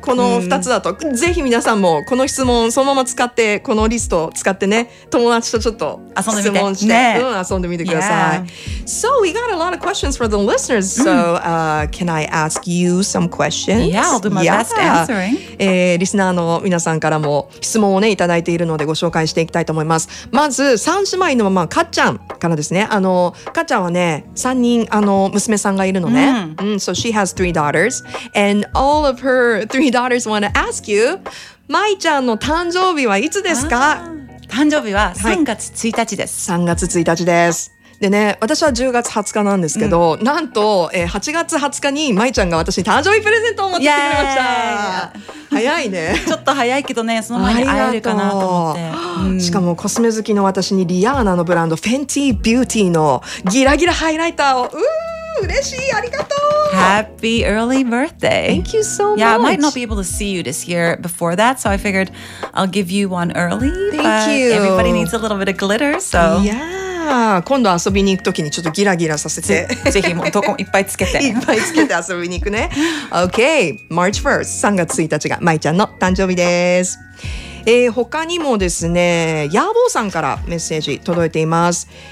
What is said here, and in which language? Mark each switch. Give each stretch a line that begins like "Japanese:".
Japanese: この2つだと、ぜひ皆さんも、この質問、そのまま使って、このリスト使ってね、友達とちょっと質問して、遊んでみてください。
English: Yeah. So, we got a lot of questions for the listeners. So, can I ask you some questions? Yeah, I'll do my best answering.
Japanese: リスナーの皆さんからも質問をね、いただいているので、ご紹介していきたいと思います。まず、3姉妹のままかっちゃんからですね。かっちゃんはね、3人娘さんがいるのね。
English: So she has three daughters. And all of her three daughters want to ask you,
Japanese: まいちゃんの誕生日はいつですか？誕生日は3月1日です。 3月1日です。でね、私は10月20日なんですけど、うん、なんと、8月20日にまいちゃんが私に誕生日プレゼントを持ってきてくれました。早いね。ちょっと早いけどね、その前に会えるかなと思って。しかもコスメ好きの私にリアーナのブランド、うん、フェンティービューティーのギラギラハイライターを、うー嬉しい、ありがとう。
English: Happy early birthday. Thank you so much. Yeah, I might not be able to see you this year before that, so I figured I'll give you one early. Thank you. Everybody needs a little bit of glitter, so. Yeah.
Japanese: 今度遊びに行くときにちょっとギラギラさせて。ぜひもうどこもいっぱいつけて。いっぱいつけて遊びに行くね。
English: Okay. March 1st,
Japanese: 3月1日がまいちゃんの誕生日です。他にもですね、ヤーボーさんからメッセージ届いています。